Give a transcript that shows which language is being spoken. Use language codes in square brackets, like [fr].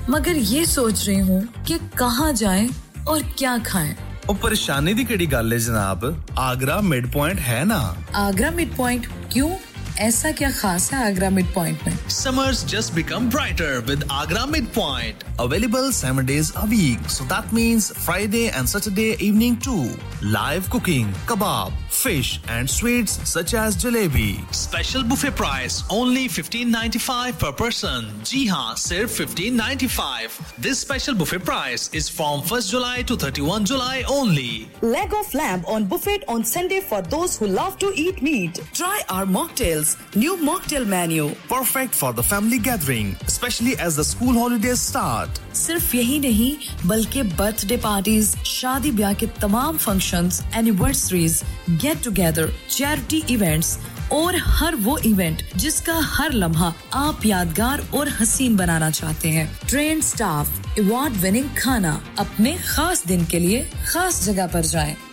[hi] मगर ये सोच रही हूँ कि कहाँ जाएं और क्या खाएं. [pa] ओ, परेशानी दी कड़ी गल है जनाब. [hi] आगरा मिड पॉइंट है ना? आगरा मिड पॉइंट क्यों? ऐसा क्या खास है आगरा मिड पॉइंट में? [en] Summers just become brighter with Agra mid point. Available 7 days a week. So that means Friday and Saturday evening too. Live cooking, kebab, fish and sweets such as jalebi. Special buffet price only $15.95 per person. [hi] Ji haan, sirf [en] $15.95. This special buffet price is from 1st July to 31 July only. Leg of lamb on buffet on Sunday for those who love to eat meat. Try our mocktails. New mocktail menu. Perfect for the family gathering, especially as the school holidays start. [hi] सिर्फ यही नहीं बल्कि birthday parties, शादी ब्याह के तमाम functions, anniversaries, get together, charity events और हर वो इवेंट जिसका हर लम्हा आप यादगार और हसीन बनाना चाहते हैं. [en] train staff, award winning [hi] खाना, अपने खास दिन के लिए खास जगह पर जाएं.